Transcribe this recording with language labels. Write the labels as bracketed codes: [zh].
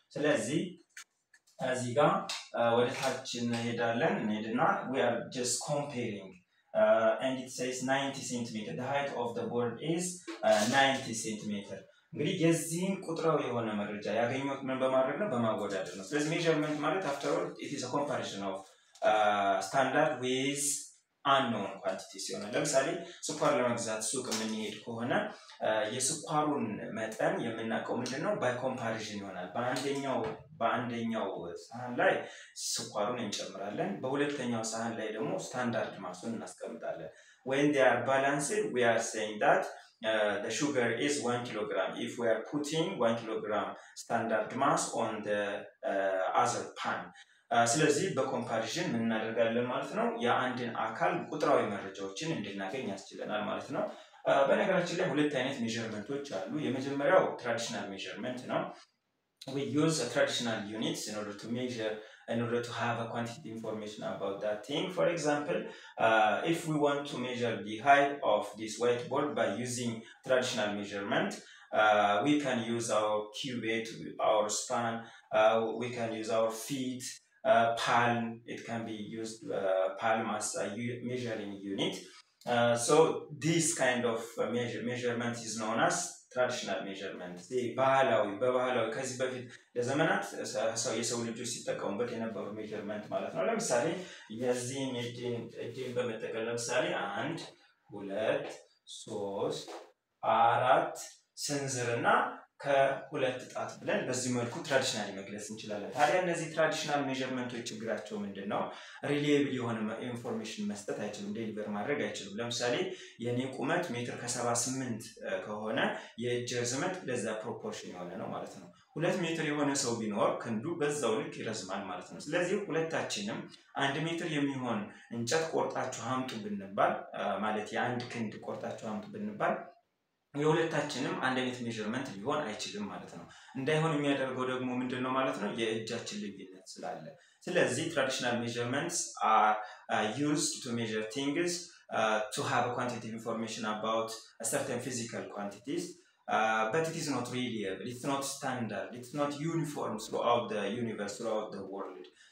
[am] ስለዚህ እዚህ ጋር ወደ ታች እንሄዳለን እንሄድና [en] we are just comparing and it says 90 cm. The height of the board is 90 cm. [am] እንግዲህ የዚህን ቁጥራው የሆነ መረጃ ያገኘው ምን በማድረግ ነው? በማወዳደር ነው። ስለዚህ [en] measurement ማለት after all it is a comparison of standard with unknown quantities. [am] ለምሳሌ ስኳር ለመግዛት ሱቅ ምን ይሄድ ከሆነ የስኳሩን መጠን የምናቀው ምንድነው? [en] by comparison [am] ይሆናል። በአንደኛው ሳህን ላይ ስኳሩን እንጨምራለን፣ በሁለተኛው ሳህን ላይ ደግሞ standard ማሱን እናስቀምጣለን። [en] When they are balanced we are saying that the sugar is 1 kilogram. If we are putting 1 kilogram standard mass on the other pan. [am] ስለዚህ በኮምፓሪዥን ምን እናደርጋለን ማለት ነው? የአንድን አካል ቁጥራዊ መረጃዎችን እንድናገኝ ያስችለናል ማለት ነው። በነገራችን ላይ ሁለት አይነት ሜዥርመንቶች አሉ። የመጀመሪያው ትራዲሽናል ሜዥርመንት ነው። [en] We use a traditional units in order to measure, in order to have a quantitative information about that thing. For example, if we want to measure the height of this whiteboard by using traditional measurement, we can use our cubit, our span, we can use our feet, palm. It can be used palm as a measuring unit. So this kind of measurement is known as traditional measurement. [am] በባህላዊ ከዚህ በፊት ለዘመናት ሰው የሰው ልጅ ሲጠቀሙበት የነበረው ሜዥርመንት ማለት ነው። ለምሳሌ የዚህ እጅን በመጠቀም ለምሳሌ 1 2 3 4 ስንዝርና ከሁለት ጣት ብለን በዚህ መልኩ ትራዲሽናል መግለጽ እንችላለን። ታዲያ እነዚህ ትራዲሽናል ሜዥርመንቶች ችግራቸው ምንድነው? ሪሊየብል የሆነ ኢንፎርሜሽን መስጠት አይችልም፣ ዴሊቨር ማድረግ አይችልም። ለምሳሌ የኔ ቁመት ሜትር ከ78 ከሆነ የእጅ ርዝመት ለዛ ፕሮፖርሽን የሆነ ነው ማለት ነው። 2 ሜትር የሆነ ሰው ቢኖር ክንዱ በዛው ልክ ይረዝማል ማለት ነው። ስለዚህ ሁለታችንም 1 ሜትር የሚሆን እንጨት ቆርጣችሁ አምጡ ብንባል ማለት የአንድ ክንድ ቆርጣችሁ አምጡ ብንባል የሁለታችንም አንድ አይነት ሜዥርመንት ሊሆን አይችልም ማለት ነው። እንዳይሆን የሚያደርገው ደግሞ ምንድነው ማለት ነው? የእጃችን ልዩነት ስላለ። ስለዚህ [en] ትራዲሽናል ሜዥርመንትስ አር used to measure things to have a quantitative information about a certain physical quantities but it is not reliable, it's not standard, it's not uniform throughout the universe, throughout the world.